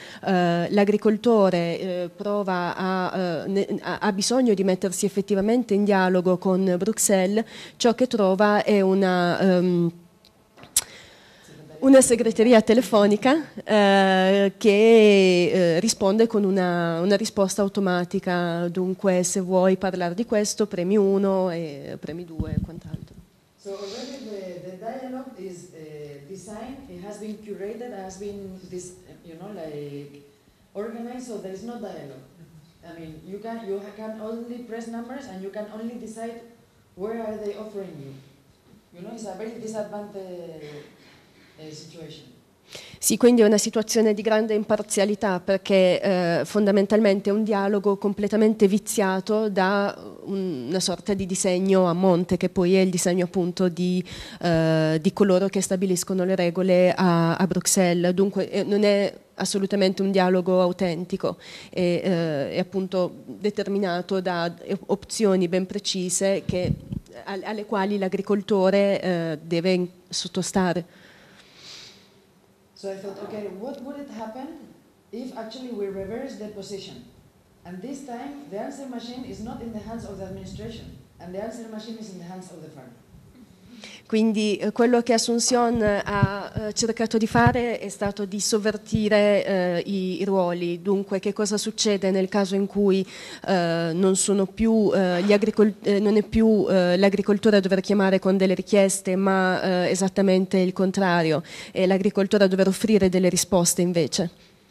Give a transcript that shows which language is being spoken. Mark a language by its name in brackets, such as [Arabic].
[Italian] l'agricoltore ha bisogno di mettersi effettivamente in dialogo con Bruxelles, ciò che trova è una segreteria telefonica che risponde con una risposta automatica. Dunque, se vuoi parlare di questo, premi 1 e premi 2 e quant'altro. [English] So already the dialogue is designed, it has been curated, has been this, you know, like organized, so there is no dialogue. I mean, you can only press numbers and you can only decide where are they offering you. You know, it's a very disadvantage situation. [Italian] Sì, quindi è una situazione di grande imparzialità, perché fondamentalmente è un dialogo completamente viziato da una sorta di disegno a monte, che poi è il disegno appunto di coloro che stabiliscono le regole a Bruxelles. Dunque non è assolutamente un dialogo autentico, è appunto determinato da opzioni ben precise alle quali l'agricoltore deve sottostare. [English] So I thought, okay, what would it happen if actually we reverse the position? And this time, the answer machine is not in the hands of the administration, and the answer machine is in the hands of the farmer. [Italian] Quindi quello che Asunción ha cercato di fare è stato di sovvertire i ruoli. Dunque, che cosa succede nel caso in cui non sono più l'agricoltore a dover chiamare con delle richieste, ma esattamente il contrario, è l'agricoltore a dover offrire delle risposte invece.